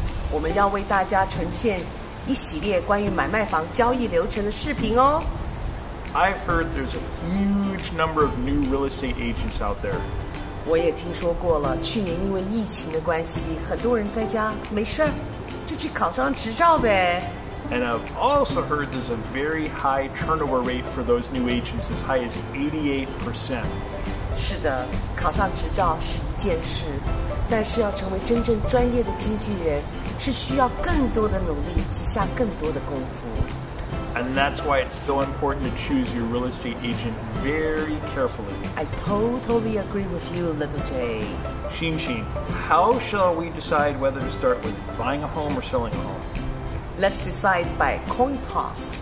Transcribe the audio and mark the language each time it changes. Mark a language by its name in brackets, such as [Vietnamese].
[Chinese] 我们要为大家呈现一系列关于买卖房交易流程的视频哦。 [English] I've heard there's a huge number of new real estate agents out there. [Chinese] 我也听说过了，去年因为疫情的关系，很多人在家没事儿，就去考张执照呗。 [English] And I've also heard there's a very high turnover rate for those new agents, as high as 88%. [Chinese] 是的，考上执照是一件事，但是要成为真正专业的经纪人，是需要更多的努力及下更多的功夫。 [English] And that's why it's so important to choose your real estate agent very carefully. I totally agree with you, Little Jay. Xinxin, how shall we decide whether to start with buying a home or selling a home? Let's decide by coin toss.